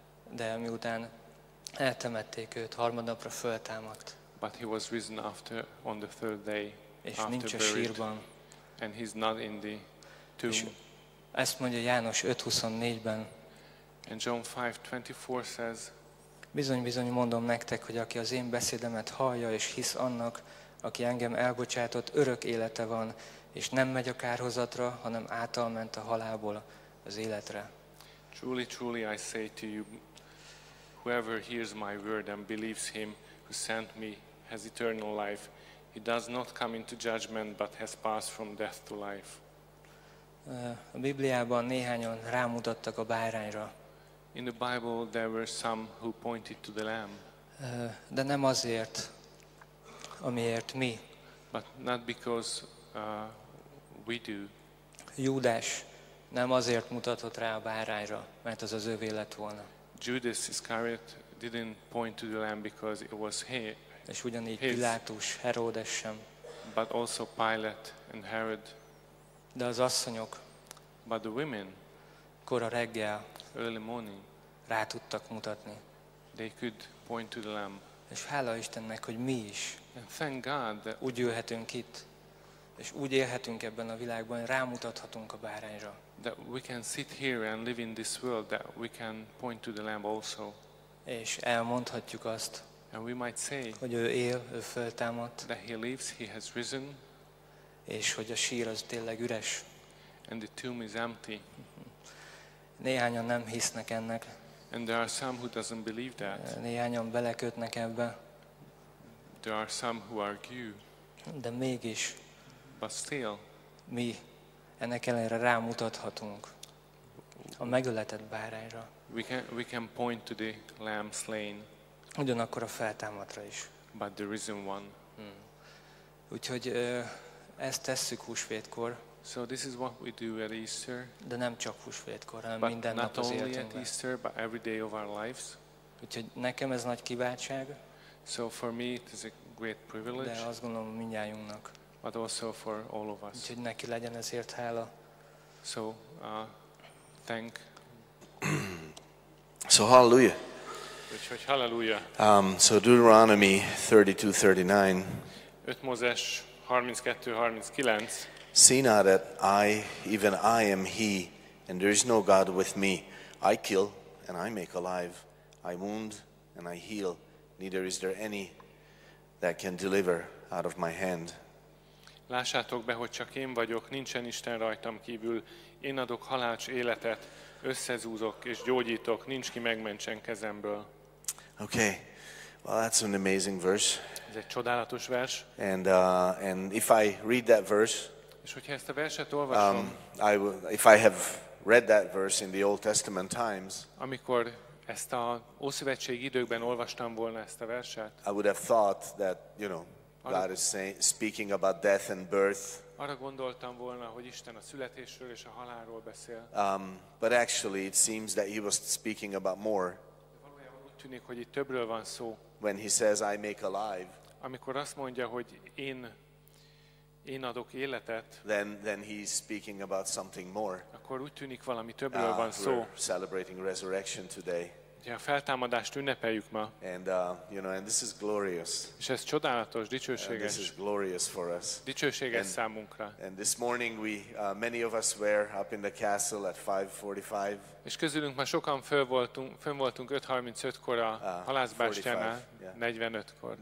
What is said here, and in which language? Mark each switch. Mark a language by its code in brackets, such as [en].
[hu] De miután eltemették őt, harmadnapra föltámadt. [en] But he was risen after on the third day. [hu] És nincs a sírban. [en] And he's not in the tomb. [hu] Ezt mondja János 5:24-ben. [en] And John 5:24 says, [hu] bizony-bizony mondom nektek, hogy aki az én beszédemet hallja és hisz annak, aki engem elbocsátott, örök élete van, és nem megy a kárhozatra, hanem által ment a halálból az életre. [en] Truly, truly, I say to you, whoever hears my word and believes him who sent me has eternal life. He does not come into judgment, but has passed from death to life. [hu] A Bibliában néhányan rámutattak a bárányra. [en] In the Bible there were some who pointed to the lamb. [hu] De nem azért, amiért mi. [en] But not because we do. [hu] Júdás nem azért mutatott rá a bárányra, mert az az övé lett volna. [en] Judas Iscariot didn't point to the lamb because it was his. [hu] És ugyanígy Pilátus, Herodes sem. [en] But also Pilate and Herod. [hu] De az asszonyok. [en] But the women. [hu] Kora reggel. [en] Early morning, [hu] rá tudtak mutatni. [en] They could point to the lamb. [hu] És hála Istennek, hogy mi is. [en] And thank God that [hu] úgy ülhetünk itt, és úgy élhetünk ebben a világban, hogy rámutathatunk a bárányra. [en] That we can sit here and live in this world, that we can point to the lamb also. [hu] És elmondhatjuk azt. [en] And we might say, [hu] hogy ő él, ő föltámadt. [en] That he lives, he has risen. [hu] És hogy a sír az tényleg üres. [en] And the tomb is empty. [hu] Néhányan nem hisznek ennek. [en] And there are some who doesn't believe that. [hu] Néhányan belekötnek ebbe. [en] There are some who argue. [hu] De mégis. [en] But still. [hu] Mi ennek ellenére rámutathatunk. A megöletett bárányra. [en] We can point to the lamb slain. [hu] Ugyanakkor a feltámadtra is. [en] But the risen one. Hmm. [hu] Úgyhogy ezt tesszük húsvétkor. [en] So this is what we do at Easter. [hu] De nem csak húsvétkor, hanem minden nap az életünkben. [en] But not only at Easter, but every day of our lives. [hu] Úgyhogy nekem ez nagy kiváltság. [en] So for me it is a great privilege. [hu] De azt gondolom mindnyájunknak. [en] But also for all of us. [hu] Úgyhogy neki legyen ezért hála. [en] So thank. So hallelujah. [hu] Úgyhogy hallelujah. [en] So Deuteronomy 32:39. [hu] 5 Mózes 32:39. [en] See not that I, even I am he, and there is no God with me. I kill, and I make alive. I wound, and I heal. Neither is there any that can deliver out of my hand. [hu] Lássátok be, hogy csak én vagyok, nincsen Isten rajtam kívül. Én adok halált és életet, összezúzok és gyógyítok, nincs ki megmentsen kezemből. [en] Okay, well that's an amazing verse. [hu] Ez egy csodálatos vers. [en] And if I read that verse, [hu] és hogyha ezt a verset olvasom, [en] If I have read that verse in the Old Testament times, [hu] amikor ezt a ószövetségi időkben olvastam volna ezt a verset, [en] I would have thought that, you know, God is saying, speaking about death and birth. [hu] Arra gondoltam volna, hogy Isten a születésről és a halálról beszél. [en] But actually it seems that he was speaking about more. [hu] Úgy tűnik, hogy itt többről van szó. [en] When he says I make alive. [hu] Amikor azt mondja, hogy én adok életet. [en] Then he's speaking about something more. [hu] Akkor úgy tűnik, valami többről van szó. [en] We're celebrating resurrection today. [hu] A feltámadást ünnepeljük ma. [en] And this is glorious. [hu] És ez csodálatos, dicsőséges. [en] And this is glorious for us. [hu] Dicsőséges számunkra. [en] And this morning we many of us were up in the castle at 5:45. [hu] És közülünk már sokan fönn voltunk 5:35-kor a halászbástyánál, 45-kor.